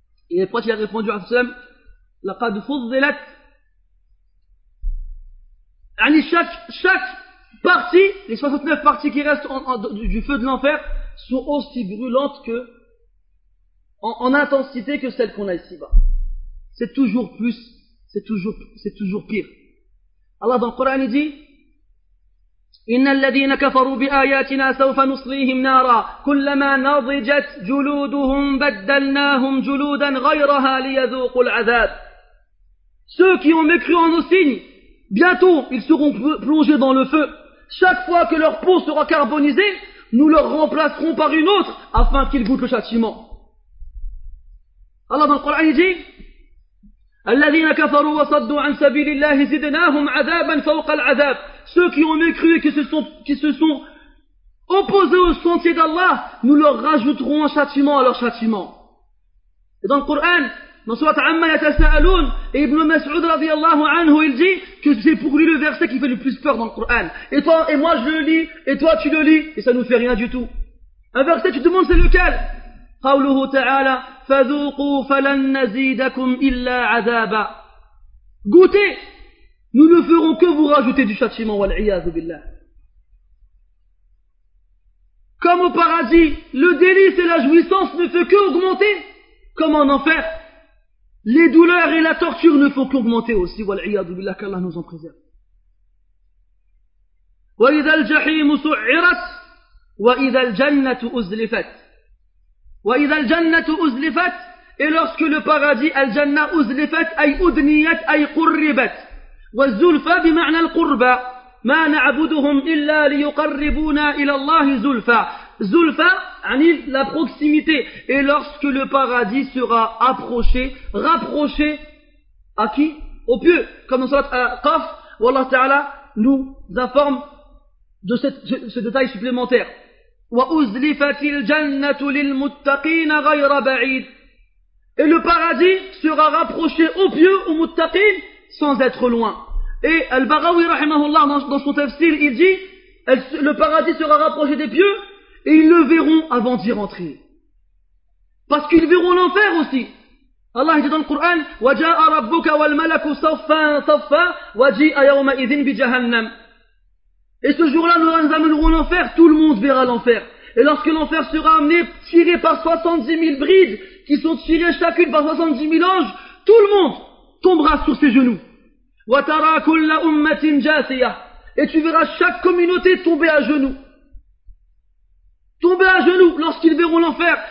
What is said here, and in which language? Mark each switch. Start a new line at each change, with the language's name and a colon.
French: Et le prophète a répondu à Salam,
Arabic: لقد فضلت,
French: يعني chaque partie, les 69 parties qui restent du feu de l'enfer sont aussi brûlantes que en intensité que celle qu'on a ici-bas. C'est toujours plus, c'est toujours pire. Allah dans le Coran dit
Arabic: إن الذين كفروا بآياتنا سوف نصليهم نارا كلما نضجت جلودهم بدلناهم جلودا غيرها ليذوقوا العذاب.
French: Ceux qui ont mécru en nos signes, bientôt ils seront plongés dans le feu. Chaque fois que leur peau sera carbonisée, nous leur remplacerons par une autre afin qu'ils goûtent le châtiment.
Arabic: الله بالقرآن يجي الذين كفروا وصدوا عن سبيل الله زدناهم عذابا فوق العذاب.
French: Ceux qui ont mécru et qui se sont opposés au sentier d'Allah, nous leur rajouterons un châtiment à leur châtiment. Et dans le Coran, dans surat Amma yatasaalun, Ibn Mas'ud
Arabic: رضي الله عنه,
French: il dit que c'est pour lui le verset qui fait le plus peur dans le Coran. Et toi et moi je le lis, et toi tu le lis, et ça nous fait rien du tout. Un verset, tu te demandes c'est lequel?
Arabic: قوله تعالى فذوقوا فلن نزيدكم إلا عذابا.
French: Goûtez, nous ne ferons que vous rajouter du châtiment,
Arabic: والعياذ بالله.
French: Comme au paradis, le délice et la jouissance ne font qu'augmenter, comme en enfer, les douleurs et la torture ne font qu'augmenter aussi,
Arabic: والعياذ بالله,
French: qu'Allah nous en préserve.
Arabic: وإذا الجحيم سعرت وإذا الجنة أزلفت. وإذا الجنة أزلفت,
French: et lorsque le paradis,
Arabic: الجنة أزلفت أي أدنيت أي قربت, والزلفة بمعنى القربة, ما نعبدهم إلا ليقربونا إلى الله زلفة. زلفة يعني
French: la proximité. Et lorsque le paradis sera approché, rapproché, à qui? Au pieux. Comme dans surat Qaf, où Allah Ta'ala nous informe de ce détail supplémentaire.
Arabic: وأزلفت الجنة للمتقين غير بعيد.
French: Et le paradis sera rapproché au pieux, au muttaqin, sans être loin. Et Al-Baghawi rahimahullah, dans son tafsir, il dit, le paradis sera rapproché des pieux, et ils le verront avant d'y rentrer. Parce qu'ils verront l'enfer aussi. Allah dit dans le Coran,
Arabic: وَجَاءَ رَبُّكَ وَالْمَلَكُ صَفًّا صَفًّا وَجِئَ يَوْمَئِذٍ بِجَهَنَّمَ.
French: Et ce jour-là, nous amènerons l'enfer, tout le monde verra l'enfer. Et lorsque l'enfer sera amené, tiré par 70 000 brides, qui sont tirées chacune par 70 000 anges, tout le monde tombera sur ses genoux.
Arabic: وَتَرَى كُلَّ أُمَّةٍ جَاثِيَةً.
French: Et tu verras chaque communauté tomber à genoux. Tomber à genoux lorsqu'ils verront l'enfer.